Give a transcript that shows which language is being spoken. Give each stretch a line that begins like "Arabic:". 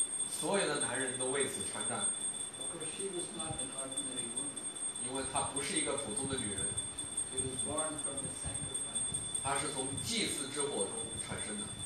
Chinese: 所有的男人都为此参战。
English: Of course, she was not an ordinary woman.
Chinese: 因为她不是一个普通的女人。
English: She was born from the sacrifice.
Chinese: 她是从祭祀之火中产生的。